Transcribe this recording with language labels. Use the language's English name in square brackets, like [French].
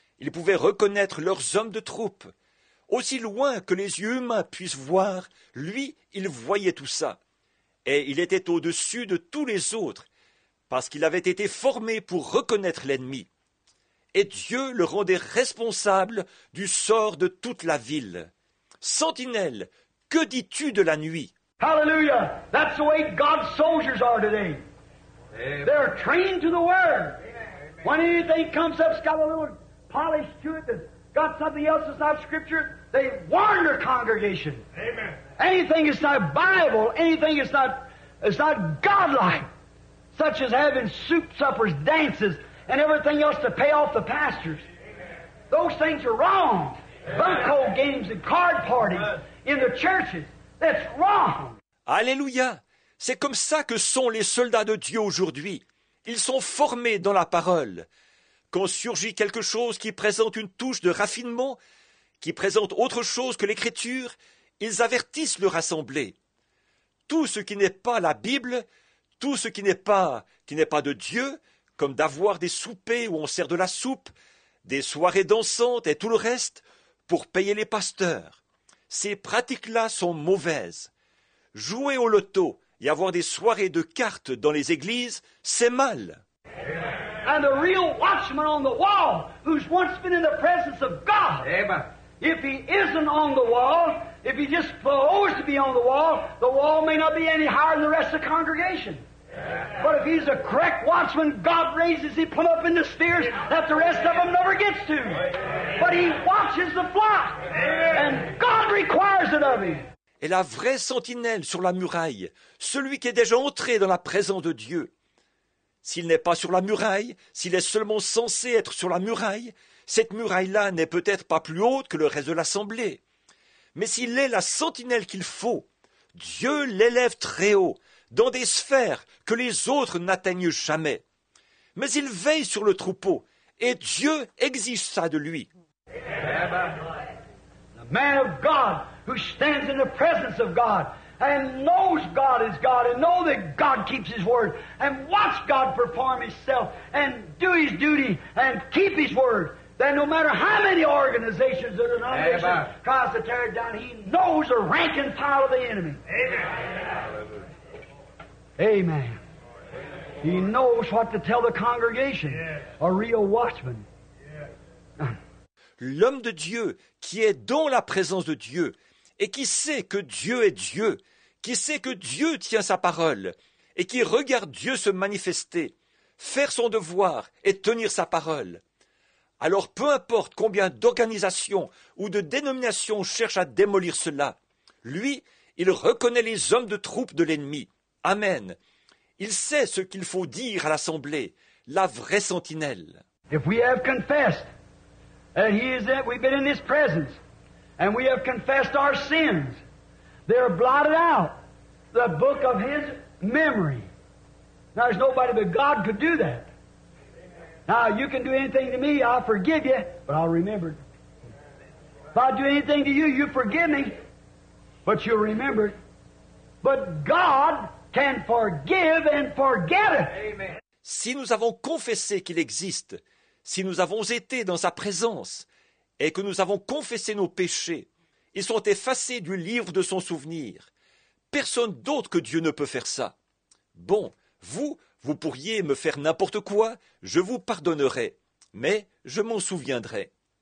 [French] Il pouvait reconnaître leurs hommes de troupe. Aussi loin que les yeux humains puissent voir, lui, il voyait tout ça. Et il était au-dessus de tous les autres, parce qu'il avait été formé pour reconnaître l'ennemi. Et Dieu le rendait responsable du sort de toute la ville. Sentinelle, que dis-tu de la nuit ? [English] Hallelujah. That's the way God's soldiers are today. Amen. They're trained to the Word. Amen. When anything comes up, it's got a little polish to it, that's got something else that's not Scripture, they warn their congregation. Amen. Anything that's not Bible, anything that's not, God-like, such as having soup, suppers, dances, and everything else to pay off the pastors. Amen. Those things are wrong. Bunko games and card parties in the churches. That's wrong. [French] Alléluia. C'est comme ça que sont les soldats de Dieu aujourd'hui. Ils sont formés dans la parole. Quand surgit quelque chose qui présente une touche de raffinement, qui présente autre chose que l'Écriture, ils avertissent leur assemblée. Tout ce qui n'est pas la Bible, tout ce qui n'est pas de Dieu, comme d'avoir des soupers où on sert de la soupe, des soirées dansantes et tout le reste, pour payer les pasteurs. Ces pratiques-là sont mauvaises. Jouer au loto et avoir des soirées de cartes dans les églises, c'est mal. [English] And the real watchman on the wall, who's once been in the presence of God. Amen. If he isn't on the wall, if he just supposed to be on the wall may not be any higher than the rest of the congregation. Amen. But if he's a correct watchman, God raises him up in the spheres that the rest of them never gets to. Amen. But he watches the flock. Amen. And God requires it of him. [French] Et la vraie sentinelle sur la muraille, celui qui est déjà entré dans la présence de Dieu. S'il n'est pas sur la muraille, s'il est seulement censé être sur la muraille, cette muraille-là n'est peut-être pas plus haute que le reste de l'assemblée. Mais s'il est la sentinelle qu'il faut, Dieu l'élève très haut, dans des sphères que les autres n'atteignent jamais. Mais il veille sur le troupeau, et Dieu exige ça de lui. [English] The man of God who stands in the presence of God and knows God is God, and know that God keeps His Word, and watch God perform Himself, and do His duty, and keep His Word, then no matter how many organizations or denominations tries to tear it down, He knows the rank and file of the enemy. Amen. Amen. He knows what to tell the congregation. Yes. A real watchman. Yes. [French] L'homme de Dieu qui est dans la présence de Dieu, et qui sait que Dieu est Dieu, qui sait que Dieu tient sa parole, et qui regarde Dieu se manifester, faire son devoir et tenir sa parole. Alors peu importe combien d'organisations ou de dénominations cherchent à démolir cela, lui, il reconnaît les hommes de troupe de l'ennemi. Amen. Il sait ce qu'il faut dire à l'assemblée, la vraie sentinelle. [English] If we have confessed that he is that we've been in his presence, and we have confessed our sins, they are blotted out, the book of His memory. Now, there's nobody but God could do that. Now, you can do anything to me, I'll forgive you, but I'll remember it. If I do anything to you, you forgive me, but you'll remember it. But God can forgive and forget it. Amen. [French] Si nous avons confessé qu'il existe, si nous avons été dans sa présence, et que nous avons confessé nos péchés, ils sont effacés du livre de son souvenir. Personne d'autre que Dieu ne peut faire ça. Bon, vous pourriez me faire n'importe quoi, je vous pardonnerai, mais je m'en souviendrai.